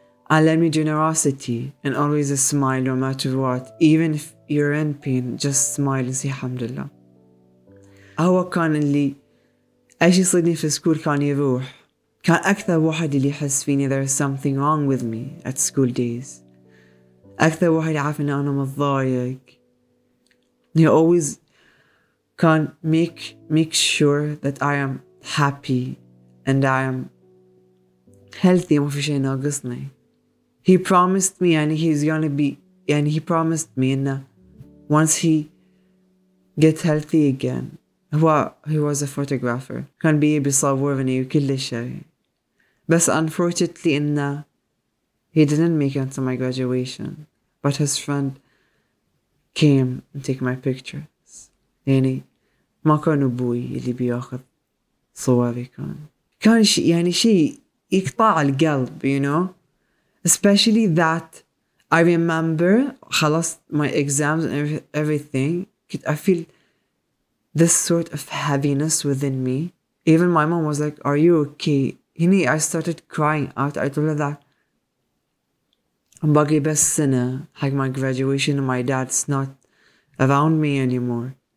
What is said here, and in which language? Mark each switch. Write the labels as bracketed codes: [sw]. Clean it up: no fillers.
[ar] علمني [en] generosity and always a smile no matter what even if you're in pain just smile and say [ar] الحمد لله هو كان اللي ايش يصيدني في سكول كان يروح كان أكثر واحد اللي يحس فيني [en] there is something wrong with me at school days [ar] أكثر واحد يعرف إن أنا مضايق. [en] He always can make sure that I am happy and I am healthy. [ar] ما في شيء ناقصني. [en] He promised me and he's gonna be and he promised me إن once he gets healthy again. He was a photographer. [ar] كان بيجي بيصور مني وكل شيء. [en] بس unfortunately إن he didn't make it until my graduation. But his friend came and take my pictures. [ar] يعني ما كان أبوي اللي بياخذ صوري كان شيء يعني شيء يقطع القلب, [en] you know. Especially that I remember خلاص my exams and everything. I feel this sort of heaviness within me. Even my mom was like, "Are you okay?" يعني I started crying out. I told her that. [ar] باقي بس سنة حق [en] my graduation and my dad's not around me anymore.